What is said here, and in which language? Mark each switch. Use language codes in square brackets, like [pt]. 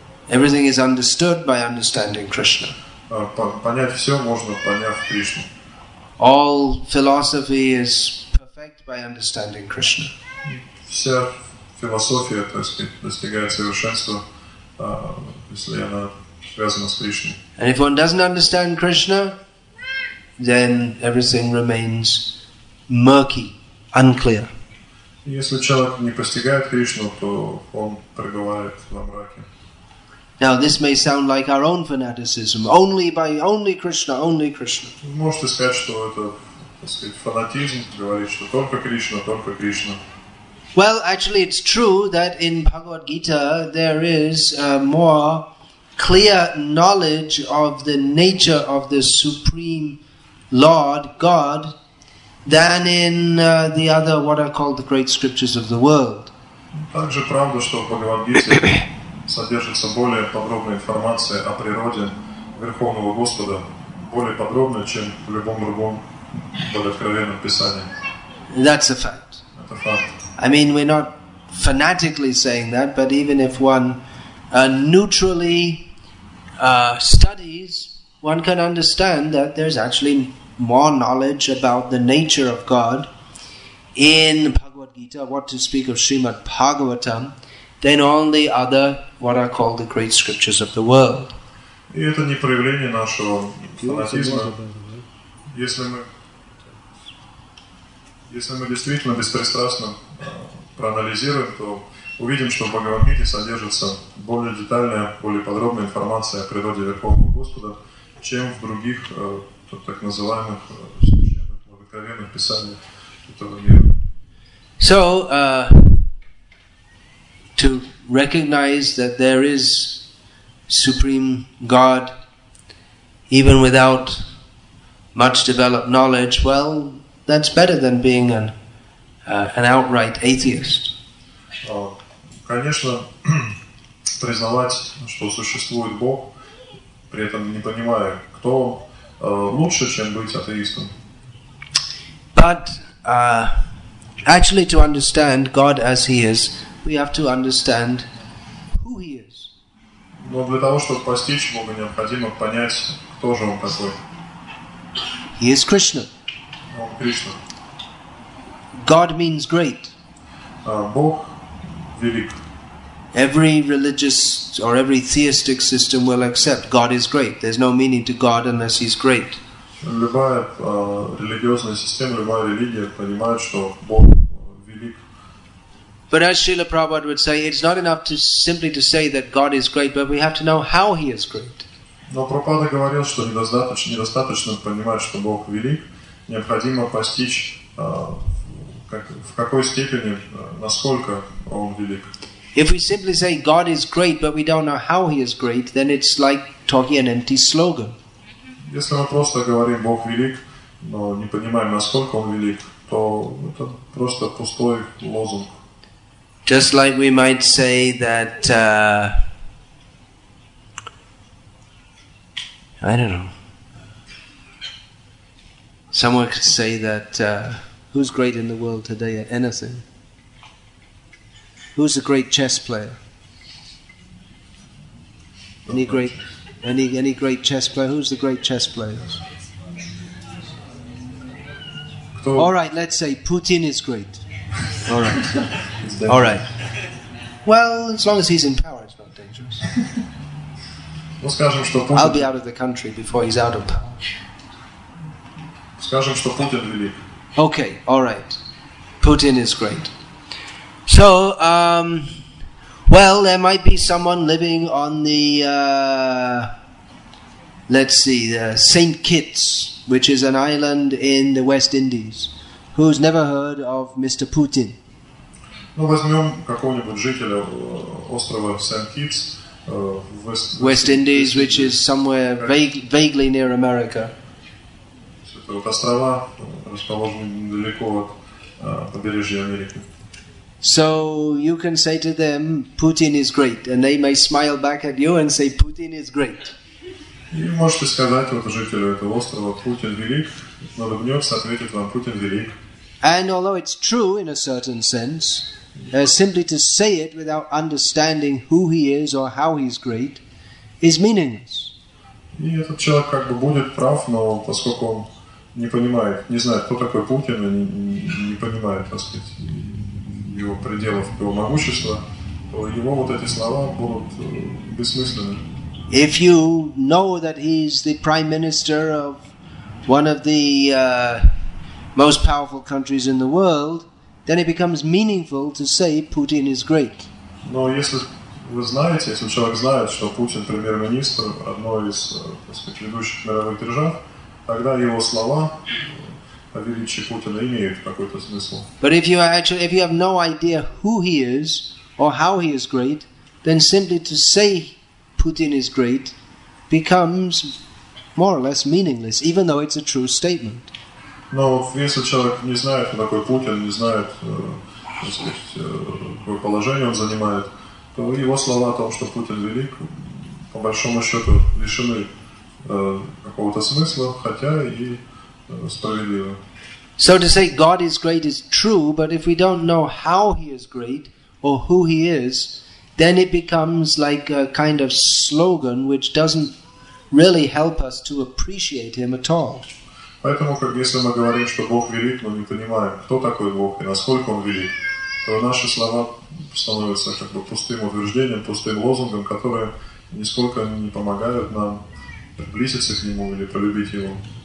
[en] Everything is understood by understanding Krishna. [ru] Понять все можно, поняв Кришну. [en] All philosophy is perfect by understanding Krishna. [ru] Вся философия, так сказать, достигает совершенства, если она связана с Кришной. [en] And if one doesn't understand Krishna, then everything remains murky, unclear. [ru] Если человек не постигает Кришну, то он пребывает во мраке. [en] Now this may sound like our own fanaticism. Only Krishna, only Krishna. [ru] Вы можете сказать, что это, так сказать, фанатизм, говорить, что только Кришна, только Кришна. [en] Well, actually, it's true that in Bhagavad Gita there is more clear knowledge of the nature of the Supreme Lord God than in the other what are called the great scriptures of the world. [ru] Также правда, что в Бхагавад Гите содержится более подробная информация о природе Верховного Господа, более подробная, чем в любом другом более откровенном писании. [en] That's a fact. [ru] Это факт. [en] I mean, we're not fanatically saying that, but even if one neutrally studies, one can understand that there's actually more knowledge about the nature of God in Bhagavad Gita, what to speak of Srimad Bhagavatam, than all the other, what are called the great scriptures of the world. [ru] И это не проявление нашего фанатизма. Если мы действительно беспристрастно проанализируем, то увидим, что в Бхагавад Гите содержится более детальная, более подробная информация о природе Верховного Господа, чем в других так называемых священных, благословенных писаниях этого мира. [en] So, to recognize that there is Supreme God, even without much developed knowledge, well, that's better than being an outright atheist. [ru] Конечно, признавать, что существует Бог, при этом не понимая, кто, лучше, чем быть атеистом. [en] But actually, to understand God as He is, we have to understand who He is. [ru] Но для того, чтобы постичь Бога, необходимо понять, кто же Он такой. [en] He is Krishna. [ru] Он Кришна. [en] God means great. [ru] Бог велик. [en] Every religious or every theistic system will accept God is great. There's no meaning to God unless He's great. [ru] Любая религиозная система, любая религия понимает, что Бог велик. [en] But as Srila Prabhupada would say, it's not enough to simply to say that God is great, but we have to know how He is great. [ru] Но Прабхупада говорил, что недостаточно понимать, что Бог велик, необходимо постичь в какой степени, насколько Он велик. [en] If we simply say God is great, but we don't know how He is great, then it's like talking an empty slogan. [ru] Если мы просто говорим Бог велик, но не понимаем, насколько Он велик, то это просто пустой лозунг. [en] Just like we might say that, I don't know. Someone could say that, who's great in the world today at anything? Who's a great chess player? Any great chess player? Who's the great chess player? All right, let's say Putin is great. All right. All right. Well, as long as he's in power, it's not dangerous. I'll be out of the country before he's out of power. [ru] Скажем, что Путин велик. [en] Okay, all right. Putin is great. So, well, there might be someone living on the, the St. Kitts, which is an island in the West Indies, who's never heard of Mr. Putin. [ru] Ну, возьмем какого-нибудь жителя острова Сент-Китс, [en] West Indies, which is somewhere vaguely near America. [ru] Это вот острова, расположенные недалеко от побережья Америки. [en] So you can say to them, Putin is great, and they may smile back at you and say, Putin is great. [ru] И можете сказать вот жителю этого острова, Путин велик, улыбнется, ответит вам, Путин велик. [en] And although it's true in a certain sense, simply to say it without understanding who he is or how he's great is meaningless. [ru] И этот человек как бы будет прав, но поскольку он не понимает, не знает, кто такой Путин, и не понимает, так сказать, его пределов, его могущества, то его вот эти слова будут бессмысленны. [en] If you know that he's the prime minister of one of the most powerful countries in the world, then it becomes meaningful to say Putin is great. [ru] Но если вы знаете, если человек знает, что Путин премьер-министр одной из, так сказать, ведущих мировых держав, тогда его слова о величии Путина имеют какой-то смысл. [en] But if you have no idea who he is or how he is great, then simply to say Putin is great becomes more or less meaningless, even though it's a true statement. [ru] Но если человек не знает, кто такой Путин, не знает, так сказать, какое положение он занимает, то его слова о том, что Путин велик, по большому счету лишены какого-то смысла, хотя и справедливо. [en] So to say God is great is true, but if we don't know how he is great or who he is, then it becomes like a kind of slogan which doesn't really help us to appreciate him at all. [ru] Поэтому, как если мы говорим, что Бог велик, но не понимаем, кто такой Бог и насколько Он велик, то наши слова становятся как бы пустым утверждением, пустым лозунгом, которые нисколько не помогают нам приблизиться к Нему или полюбить Его.